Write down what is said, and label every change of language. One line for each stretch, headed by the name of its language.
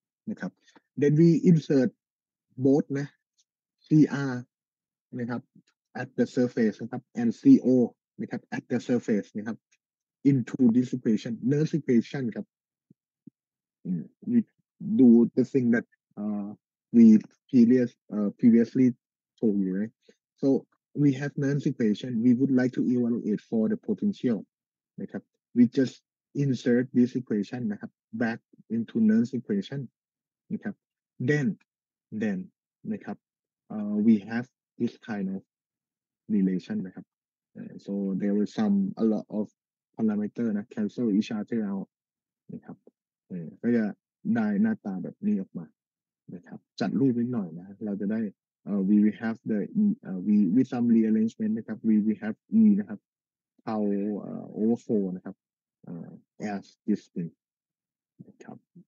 English: นะครับ then we insert both นะ CR นะครับ at the surface นะครับ and CO นะครับ at the surface นะครับ into this equation nurse equation ครับ we do the thing thatWe previously told you, right? So we have Nernst equation. We would like to evaluate for the potential. Right? We just insert this equation right? back into Nernst equation. Right? Then, right? We have this kind of relation. Right? So there were some a lot of parameter right? cancel each other out. Right? So yeah,
Thai: ได้หน้าตาแบบนี้ออกมานะครับจัดรูปนิดหน่อยนะเราจะได้
English: we have the we with some rearrangement นะครับ we have e นะครับ tau over 4นะครับ as this thing นะครับ